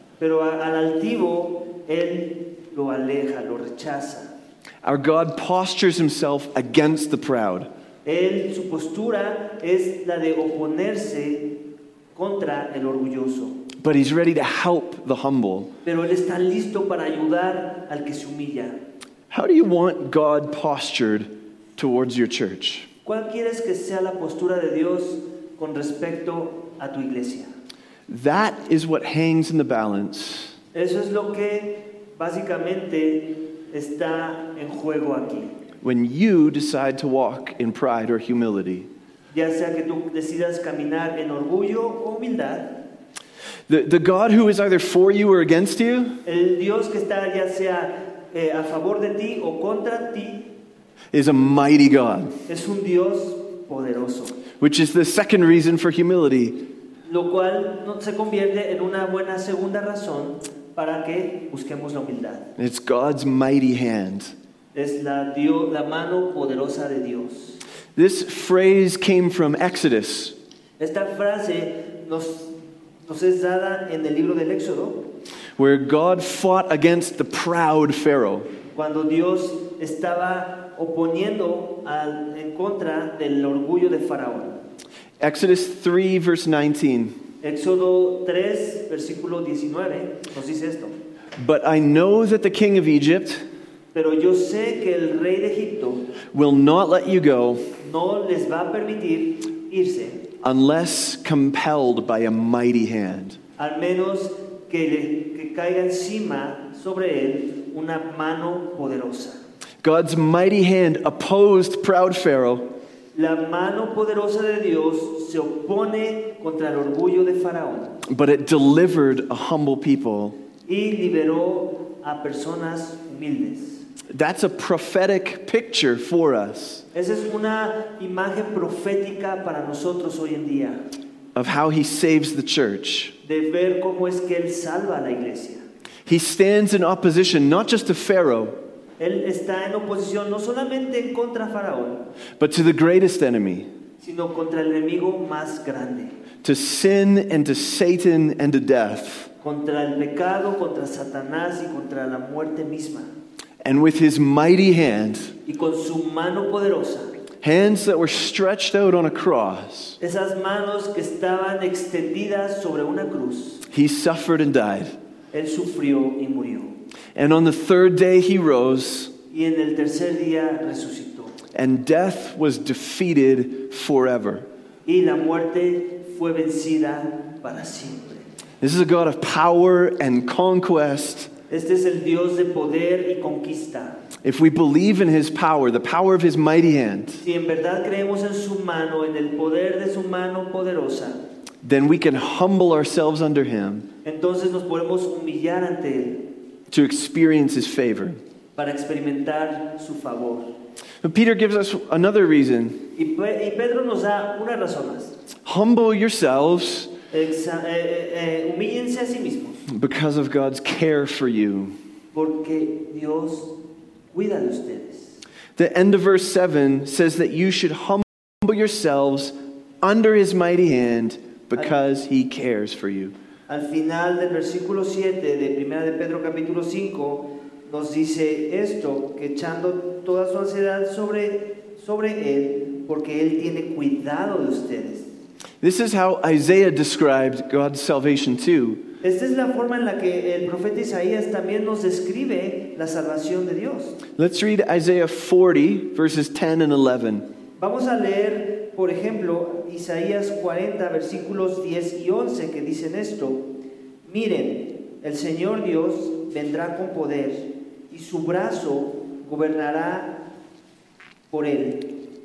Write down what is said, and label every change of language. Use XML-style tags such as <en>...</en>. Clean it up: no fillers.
<es>Pero al altivo, él lo aleja, lo rechaza.</es> <en>Our God postures himself against the proud.</en> <es>Él, su postura es la de oponerse contra el orgulloso.</es> <en>But he's ready to help the humble.</en> <es>Pero él está listo para ayudar al que se humilla.</es> <en>How do you want God postured towards your church?</en> <es>¿Cuál quieres que sea la postura de Dios con respecto a tu iglesia?</es> <en>That is what hangs in the balance.</en> <es>Eso es lo que básicamente está en juego aquí.</es> <en>When you decide to walk in pride or humility.</en> <es>Ya sea que tú decidas caminar en orgullo o humildad.</es> <en>The God who is either for you or against you.</en> <es>El Dios que está ya sea a favor de ti o contra ti.</es> <en>Is a mighty God.</en> <es>Es un Dios poderoso.</es> <en>Which is the second reason for humility.</en> <es>Lo cual se convierte en una buena segunda razón para que busquemos la humildad.</es> <en>It's God's mighty hand.</en> <es>Es la mano poderosa de Dios.</es> <en>This phrase came from Exodus.</en> <es>Esta frase nos es dada en el libro del Éxodo.</es> <en>Where God fought against the proud Pharaoh.</en> <es>Cuando Dios estaba oponiendo en contra del orgullo de Faraón.</es> <en>Exodus 3, verse 19.</en> <es>Éxodo 3, versículo 19, nos dice esto.</es> <en>But I know that the king of Egypt,</en> <es>pero yo sé que el rey de Egipto,</es> <en>will not let you go,</en> <es>no les va a permitir irse,</es> <en>unless compelled by a mighty hand.</en> <es>Al menos que caiga encima sobre él una mano poderosa.</es> <en>God's mighty hand opposed proud Pharaoh.</en> <es>La mano poderosa de Dios se opone contra el orgullo de Faraón.</es> <en>But it delivered a humble people.</en> <es>Y liberó a personas humildes.</es> <en>That's a prophetic picture for us.</en> <es>Esa es una imagen profética para nosotros hoy en día.</es> <en>Of how he saves the church.</en> <es>De ver cómo es que él salva a la iglesia.</es> <en>He stands in opposition not just to Pharaoh.</en> <es>Él está en oposición no solamente contra Faraón,</es> <en>but to the greatest enemy,</en> <es>sino contra el enemigo más grande,</es> <en>to sin and to Satan and to death,</en> <es>contra el pecado, contra Satanás y contra la muerte misma.</es> <en>And with his mighty hand,</en> <es>y con su mano poderosa,</es> <en>hands that were stretched out on a cross,</en> <es>esas manos que estaban extendidas sobre una cruz,</es> <en>he suffered and died.</en> <es>Él sufrió y murió.</es> <en>And on the third day he rose.</en> <es>Y en el tercer día resucitó.</es> <en>And death was defeated forever.</en> <es>Y la muerte fue vencida para siempre.</es> <en>This is a God of power and conquest.</en> <es>Este es el Dios de poder y conquista.</es> <en>If we believe in his power, the power of his mighty hand.</en> <es>Si en verdad creemos en su mano, en el poder de su mano poderosa.</es> <en>Then we can humble ourselves under him.</en> <es>Entonces nos podemos humillar ante él.</es> <en>To experience his favor.</en> <es>Para experimentar su favor.</es> <en>But Peter gives us another reason.</en> <es>Y Pedro nos da una razón más.</es> <en>Humble yourselves.</en> <es>Humíllense a sí mismos.</es> <en>Because of God's care for you.</en> <es>Porque Dios cuida de ustedes.</es> <en>The end of verse 7 says that you should humble yourselves under his mighty hand because he cares for you.</en> <es>Al final del versículo 7 de 1 de Pedro capítulo 5 nos dice esto, que echando toda su ansiedad sobre él, porque él tiene cuidado de ustedes.</es> <en>This is how Isaiah described God's salvation too.</en> <es>Esta es la forma en la que el profeta Isaías también nos describe la salvación de Dios.</es> <en>Let's read Isaiah 40 verses 10 and 11.</en> <es>Vamos a leer, por ejemplo, Isaías 40, versículos 10 y 11, que dicen esto. Miren, el Señor Dios vendrá con poder, y su brazo gobernará por él.</es>